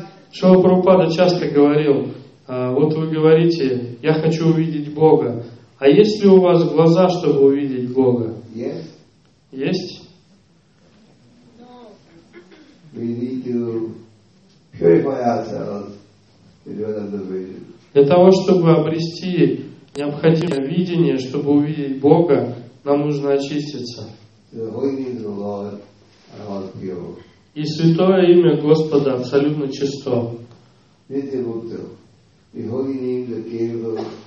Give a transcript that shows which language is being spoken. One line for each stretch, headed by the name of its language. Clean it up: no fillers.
Russian: Шрила Прабхупада часто говорил, вот вы говорите, я хочу увидеть Бога. А есть ли у вас глаза, чтобы увидеть Бога?
English: Yes.
Russian: Есть?
English: No. We need to purify ourselves to have the vision.
Russian: Для того, чтобы обрести необходимое видение, чтобы увидеть Бога, нам нужно очиститься.
English: The holy name of the Lord are all pure.
Russian: И святое имя Господа абсолютно чисто.
English: The holy name that came to